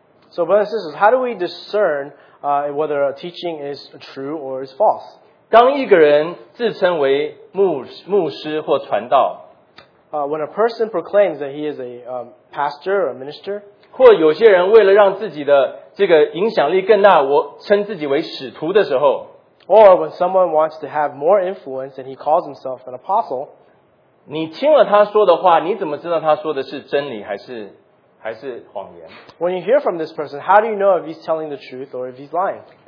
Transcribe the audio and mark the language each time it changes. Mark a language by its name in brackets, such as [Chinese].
[English] So, brothers and sisters, how do we discern whether a teaching is true or is false? [Chinese] 当一个人自称为牧师或传道， [English] when a person proclaims that he is a pastor or a minister, [Chinese] 或有些人为了让自己的这个影响力更大，我称自己为使徒的时候。 [English] Or when someone wants to have more influence and he calls himself an apostle, [Chinese] 你听了他说的话，你怎么知道他说的是真理还是谎言？ [English] When you hear from this person, how do you know if he's telling the truth or if he's lying?